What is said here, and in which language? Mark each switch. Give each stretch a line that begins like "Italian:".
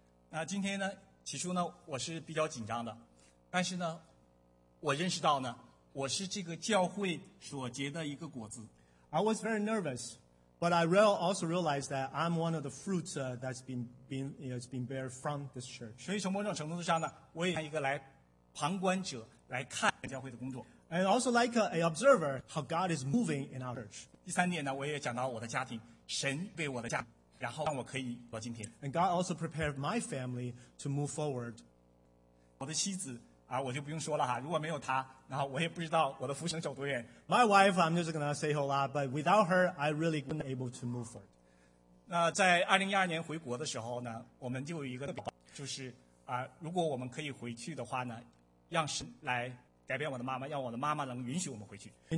Chinese: 那今天呢，起初呢，我是比较紧张的，但是呢，我认识到呢，我是这个教会所结的一个果子。
English: I was very nervous, but I also realized that I'm one of the fruits that's been bear from this church.
Chinese: 所以从某种程度上呢，我也像一个来旁观者来看教会的工作。
English: And also like an observer, how God is moving in our church.
Chinese: 第三点呢，我也讲到我的家庭，神为我的家，然后让我可以到今天。
English: And God also prepared my family to move forward.
Chinese: 我的妻子。我就不用说了哈，如果没有她，然后我也不知道我的服事能走多远。
English: My wife, I'm just gonna say hello, but without her, I really wouldn't able to move forward.
Chinese: 那在2012年回国的时候呢，我们就有一个特别，就是如果我们可以回去的话呢，让神来改变我的妈妈，让我的妈妈能允许我们回去。